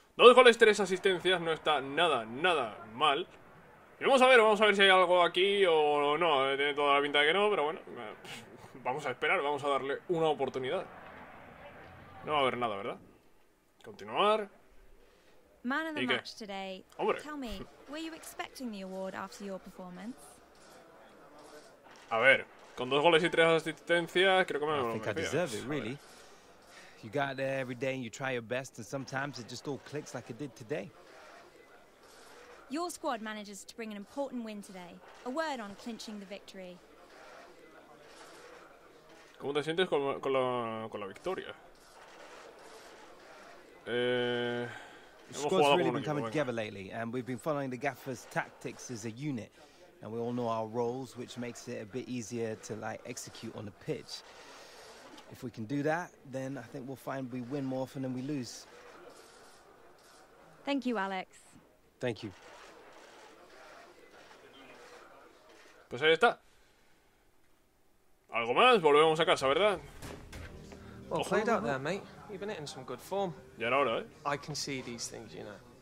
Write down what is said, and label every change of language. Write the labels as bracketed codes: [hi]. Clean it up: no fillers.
[es] 2 goles, 3 asistencias, no está nada mal. Y vamos a ver si hay algo aquí o no. Tiene toda la pinta de que no, pero bueno. Vamos a esperar, vamos a darle una oportunidad. No va a haber nada, ¿verdad? Continuar. [en] Man of the match today. [es] Hombre. [en] Tell me, were you expecting the award after your performance? [es] A ver, con dos goles y tres asistencias, creo que me lo merecía. [en] I think I deserve it, really. You got there every day and you try your best, and sometimes it just all clicks like it did today. Your squad manages to bring an important win today. A word on clinching the victory. [es] ¿Cómo te sientes con la victoria? [en] The squad's really been coming together lately, and we've been following the gaffer's tactics as a unit, and we all know our roles, which makes it a bit easier to like execute on the pitch. If we can do that, then I think we'll find we win more often than we lose. Thank you, Alex. Thank you. [es] Pues ahí está. Algo más, volvemos a casa, ¿verdad? [en] Well played out there, mate. You've been hitting some good form. [es] Ya era hora, ¿eh? [en] I can see these things, you know.